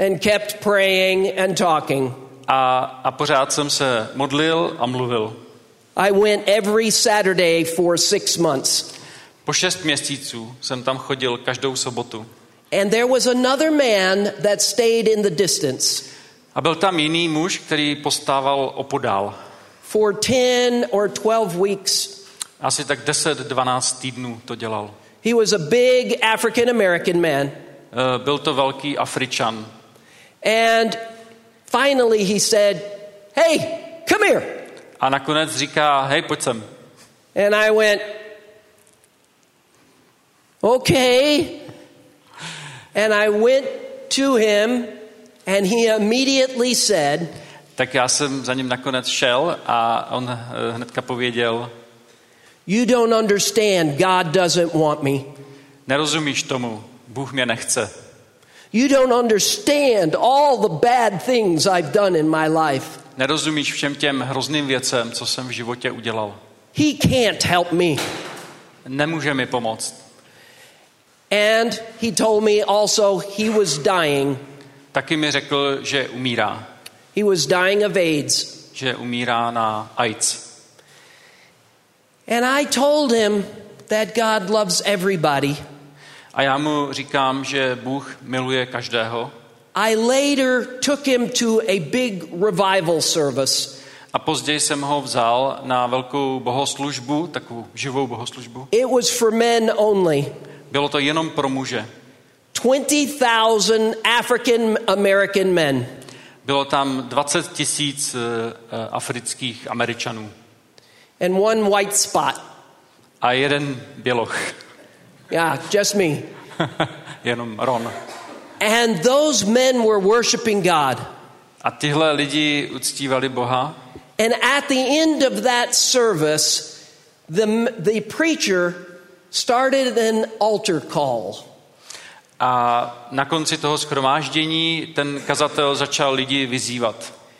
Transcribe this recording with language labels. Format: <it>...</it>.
<en>And kept praying and talking.</en> <cs>A pořád jsem se modlil a mluvil.</cs> <en>I went every Saturday for 6 months.</en> <cs>Po 6 měsíců jsem tam chodil každou sobotu.</cs> <en>And there was another man that stayed in the distance.</en> <cs>A byl tam jiný muž, který postával opodál.</cs> <en>For 10 or 12 weeks.</en> <cs>Asi tak 10-12 týdnů to dělal.</cs> <en>He was a big African American man.</en> <cs>Byl to velký Afričan.</cs> <en>And finally he said, "Hey, come here."</en> <cs>A nakonec říká, hej, pojď sem.</cs> <en>And I went, "Okay." And I went to him. And he immediately said,</en> <cs>tak já jsem za ním nakonec šel a on hnedka pověděl,</cs> <en>"You don't understand, God doesn't want me."</en> <cs>Nerozumíš tomu, Bůh mě nechce.</cs> <en>"You don't understand all the bad things I've done in my life."</en> <cs>Nerozumíš všem těm hrozným věcem, co jsem v životě udělal.</cs> <en>"He can't help me."</en> <cs>Nemůže mi pomoct.</cs> <en>And he told me also he was dying.</en> <cs>Taky mi řekl, že umírá.</cs> <en>He was dying of AIDS.</en> <cs>Že umírá na AIDS.</cs> <en>And I told him that God loves everybody.</en> <cs>A já mu říkám, že Bůh miluje každého.</cs> <en>I later took him to a big revival service.</en> <cs>A později jsem ho vzal na velkou bohoslužbu, takovou živou bohoslužbu.</cs> <en>It was for men only.</en> <cs>Bylo to jenom pro muže.</cs> <en>20,000 African American men.</en> <cs>Bylo tam 20 tisíc afrických Američanů.</cs> <en>And one white spot.</en> <cs>A jeden běloch.</cs> <en>Yeah, just me.</en> <cs>Jenom Ron.</cs> <en>And those men were worshiping God.</en> <cs>A tyhle lidi uctívali Boha.</cs> <en>And at the end of that service, the preacher started an altar call.</en> <cs>A na konci toho shromáždění ten kazatel začal lidi vyzývat.</cs>